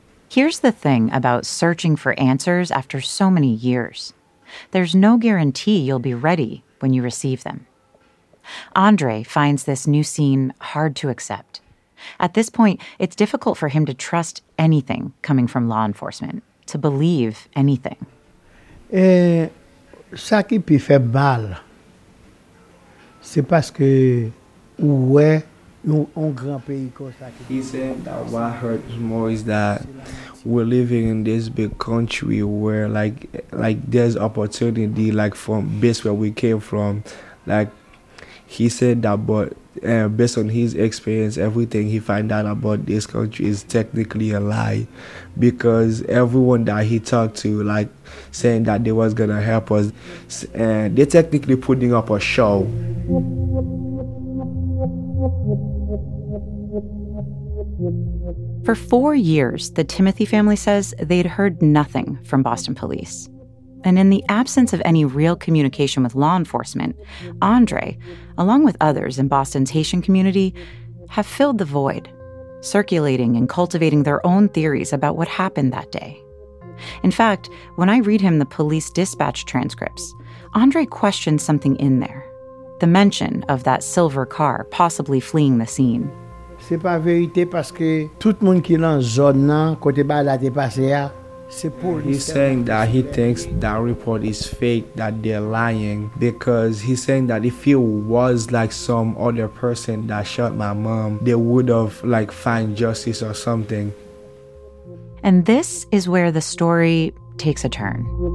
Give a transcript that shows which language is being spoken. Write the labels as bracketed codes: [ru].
[en] Here's the thing about searching for answers after so many years. There's no guarantee you'll be ready when you receive them. Andre finds this new scene hard to accept. At this point, it's difficult for him to trust anything coming from law enforcement, to believe anything. [fr] Ça qui peut faire mal, c'est parce que ouais, un grand pays comme ça. [en] He said that what hurts more is that we're living in this big country where, like there's opportunity, like from base where we came from, like. He said that, but based on his experience, everything he find out about this country is technically a lie, because everyone that he talked to, like, saying that they was gonna help us, they're technically putting up a show. For 4 years, the Timothy family says they'd heard nothing from Boston police. And in the absence of any real communication with law enforcement, Andre, along with others in Boston's Haitian community, have filled the void, circulating and cultivating their own theories about what happened that day. In fact, when I read him the police dispatch transcripts, Andre questions something in there, the mention of that silver car possibly fleeing the scene. [fr] C'est pas vérité parce que tout le monde qui est dans la zone, côté bas là, t'es passé là. [en] He's saying that he thinks that report is fake, that they're lying, because he's saying that if it was like some other person that shot my mom, they would have like find justice or something. And this is where the story takes a turn.